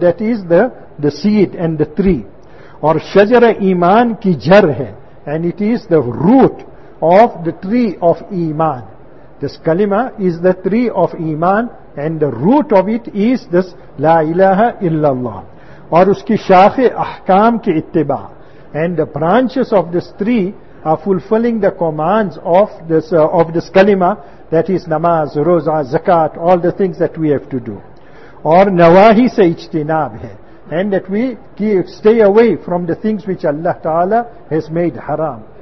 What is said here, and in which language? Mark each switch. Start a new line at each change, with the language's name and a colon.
English: That is the seed and the tree.
Urdu: اور شجر ایمان کی جر ہے.
English: And it is the root of the tree of iman. This kalima is the tree of iman, and the root of it is this la ilaha illallah.
Urdu: اور اس کی شاخ احکام کی اتباع.
English: And the branches of this tree are fulfilling the commands of this kalima, that is namaz, roza, zakat, all the things that we have to do. Or
Urdu: nawahi se ijtinab hai,
English: and that we keep, stay away from the things which Allah Ta'ala has made haram.